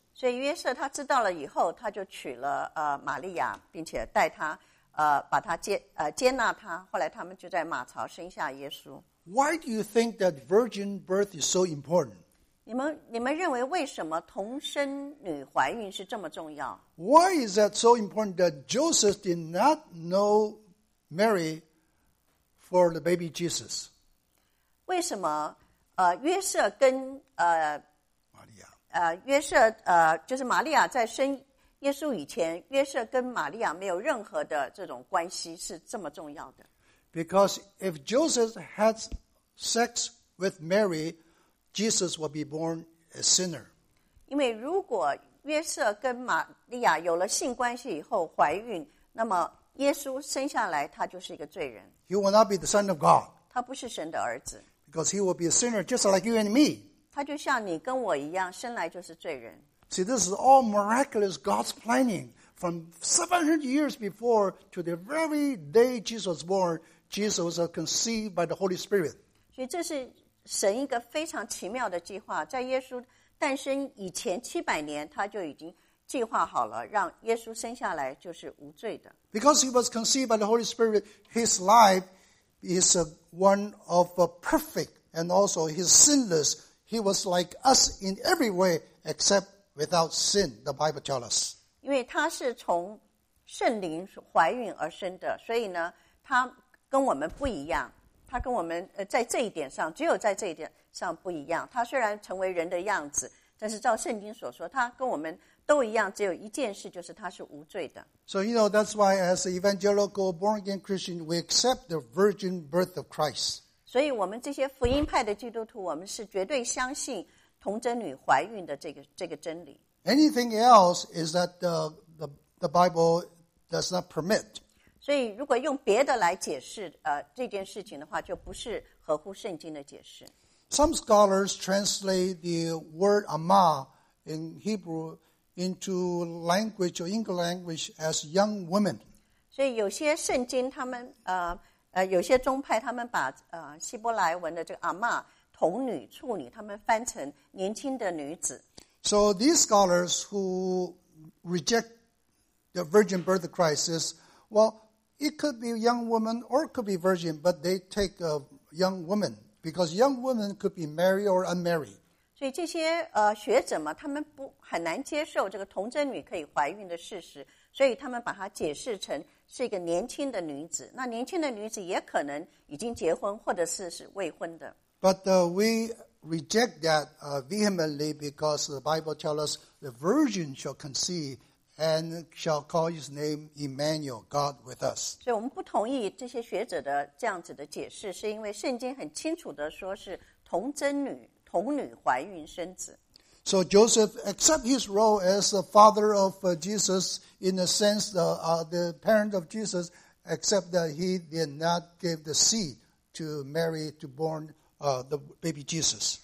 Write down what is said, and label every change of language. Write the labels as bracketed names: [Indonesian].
[Chinese] 所以约瑟他知道了以后，他就娶了玛利亚，并且带她。把他接纳他，后来他们就在马槽生下耶稣。 [English] Why do you think that virgin birth is so important? [Chinese] 你们认为为什么童生女怀孕是这么重要？ [English] Why is that so important that Joseph did not know Mary for the baby Jesus? [Chinese] 为什么约瑟跟玛利亚约瑟就是玛利亚在生耶稣以前，约瑟跟玛利亚没有任何的这种关系是这么重要的。 [English] Because if Joseph had sex with Mary, Jesus would be born a sinner. [Chinese] 因为如果约瑟跟玛利亚有了性关系以后怀孕，那么耶稣生下来他就是一个罪人。 [English] He will not be the son of God. [Chinese] 他不是神的儿子。 [English] Because he will be a sinner just like you and me. [Chinese] 他就像你跟我一样，生来就是罪人。 [English] See, this is all miraculous God's planning. From 700 years before to the very day Jesus was born, Jesus was conceived by the Holy Spirit. [Chinese] 所以这是神一个非常奇妙的计划。在耶稣诞生以前700年，他就已经计划好了，让耶稣生下来就是无罪的。 [English] Because he was conceived by the Holy Spirit, his life is one of a perfect and also he's sinless. He was like us in every way except without sin, the Bible tells us. [Chinese] 因为他是从圣灵怀孕而生的，所以呢，他跟我们不一样。他跟我们在这一点上，只有在这一点上不一样。他虽然成为人的样子，但是照圣经所说，他跟我们都一样，只有一件事，就是他是无罪的。 [English] So you know that's why, as an evangelical born again Christian, we accept the virgin birth of Christ. [Chinese] 所以我们这些福音派的基督徒，我们是绝对相信童贞女怀孕的这个真理。 [English] Anything else is that the Bible does not permit. [Chinese] 所以如果用别的来解释这件事情的话，就不是合乎圣经的解释。 [English] Some scholars translate the word ama in Hebrew into language or English language as young women. [Chinese] 所以有些圣经他们有些宗派他们把希伯来文的这个ama童女、处女，他们翻成年轻的女子。 [English] So these scholars who reject the virgin birth of Christ is, well, it could be young woman or it could be virgin, but they take a young woman because young woman could be married or unmarried. [Chinese] 所以这些学者嘛，他们不很难接受这个童贞女可以怀孕的事实，所以他们把它解释成是一个年轻的女子。那年轻的女子也可能已经结婚或者是未婚的。 [English] But we reject that vehemently because the Bible tells us the virgin shall conceive and shall call his name Emmanuel, God with us. [Chinese] 所以我们不同意这些学者的这样子的解释，是因为圣经很清楚的说是童贞女、童女怀孕生子。 [English] So Joseph accepts his role as the father of Jesus in the sense the parent of Jesus, except that he did not give the seed to Mary to born the baby Jesus.